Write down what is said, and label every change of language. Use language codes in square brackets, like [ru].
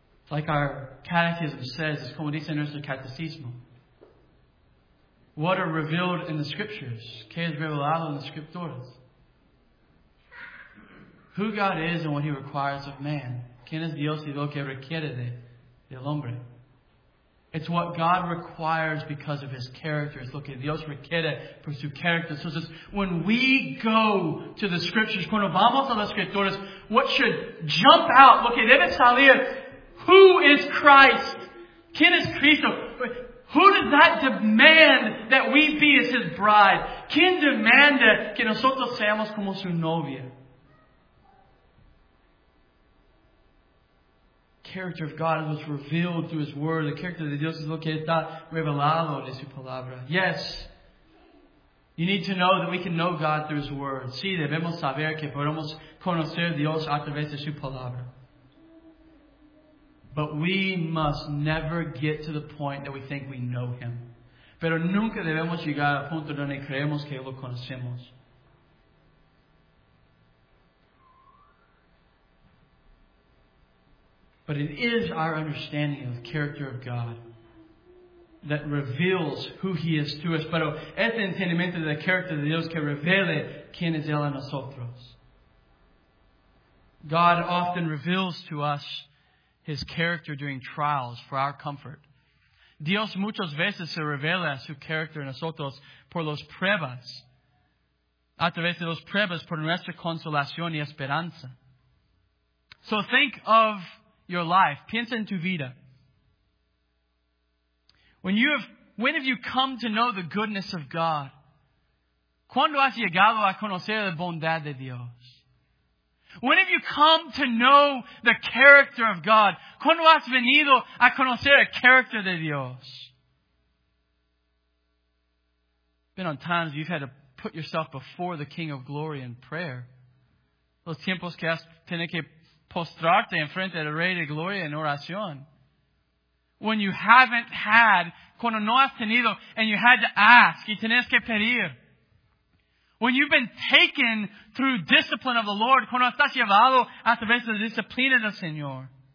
[en] Like our catechism says, it's [es] como dice nuestro catecismo. [en] What are revealed in the scriptures? [es] ¿Qué es revelado en las escrituras? [en] Who God is and what He requires of man. [es] ¿Quién es Dios y lo que requiere del hombre? [en] It's what God requires because of His character. [es] Es lo que Dios requiere por su carácter. [en] So it's when we go to the scriptures, [es] cuando vamos a las escrituras, [en] what should jump out? [es] Lo que debe salir. [en] Who is Christ? [es] ¿Quién es Cristo? [en] Who does that demand that we be as His bride? [es] ¿Quién demanda que nosotros seamos como su novia? [en] Character of God is what's revealed through His Word. [es] The character de Dios es lo que está revelado de su palabra. [en] Yes, you need to know that we can know God through His Word. [es] Sí, debemos saber que podemos conocer Dios a través de su palabra. [en] But we must never get to the point that we think we know Him. [es] Pero nunca debemos llegar al punto donde creemos que lo conocemos. [en] But it is our understanding of the character of God that reveals who He is to us. [es] Pero es el entendimiento de la character de Dios que revela quién es Él a nosotros. [en] God often reveals to us His character during trials for our comfort. [es] Dios muchas veces se revela su carácter en nosotros por las pruebas. A través de las pruebas por nuestra consolación y esperanza. [en] So think of your life. [es] Piensa en tu vida. [en] When have you come to know the goodness of God? [es] ¿Cuándo has llegado a conocer la bondad de Dios? [en] When have you come to know the character of God? [es] ¿Cuándo has venido a conocer el carácter de Dios? [en] Been on times you've had to put yourself before the King of Glory in prayer. [es] Los tiempos que has tenido que postrarte en frente del Rey de Gloria en oración. [en] When you haven't had, [es] cuando no has tenido, [en] and you had to ask, [es] y tenés que pedir. [en] When you've been taken through discipline of the Lord, [es] cuando estás llevado a través de la disciplina del Señor.